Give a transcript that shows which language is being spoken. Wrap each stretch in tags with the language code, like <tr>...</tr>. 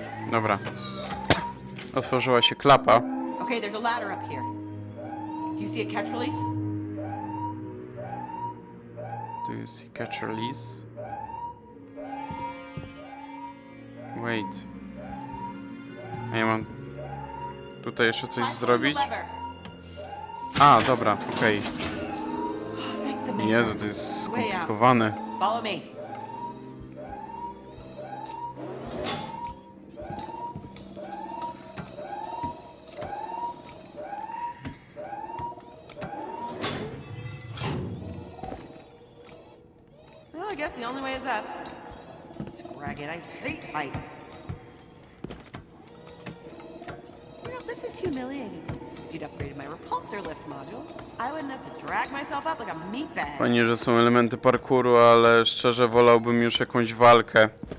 <pl>Dobra. Otworzyła się klapa.</pl> <en>Okay, there's a ladder up here. Do you see a catch release? Do you see catch release? Wait.</en> <pl>A ja mam tutaj jeszcze coś zrobić? A, dobra, okej. Okay. Jezu, to jest skomplikowane.</pl> <en>Follow me. Well, I guess the only way is up. Scrag it, I hate heights. Well, this is humiliating. If you'd upgraded my repulsor lift module, I wouldn't have to drag myself up like a meatbag.</en> <pl>Fajnie, że są elementy parkouru, ale szczerze wolałbym już jakąś walkę.</pl>